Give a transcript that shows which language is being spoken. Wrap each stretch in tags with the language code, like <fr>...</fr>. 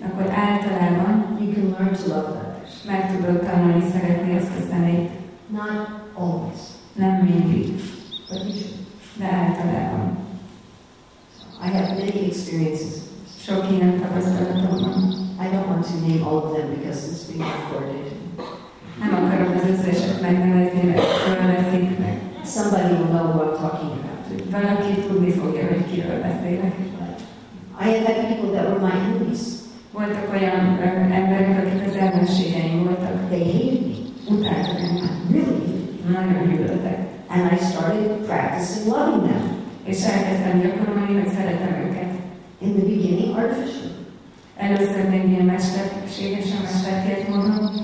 <hu>akkor általában</hu> <en>you can learn to love that person.</en> <hu>Meg tudod tanulni szeretni azt a személyt.</hu> <en>Not always.</en> <hu>Nem mindig.</hu> <en>But usually.</en> <hu>De általában.</hu> <en>I have many experiences.</en> <hu>Sok ilyen tapasztalatom van.</hu> <en>I don't want to name all of them because it's being recorded.</en> <hu>Nem akarom az összeset megnevezni, mert fölveszik meg.</hu> <en>Somebody will know what I'm talking about.</en> <hu>Valaki tudni fogja, hogy kiről beszélek.</hu> <en>I had had people that were my enemies.</en> <hu>Voltak olyan emberek, akik az ellenségeim voltak.</hu> <en>They hated me.</en> <hu>Utáltak engem.</hu> <en>Really?</en> <hu>Nagyon gyűlöltek.</hu> <en>And I started practicing loving them.</en> <hu>És elkezdtem gyakorolni, hogy szeretem őket.</hu> <en>In the beginning, artificial.</en> <hu>Először még ilyen mesterségesen mesterkélt volna.</hu>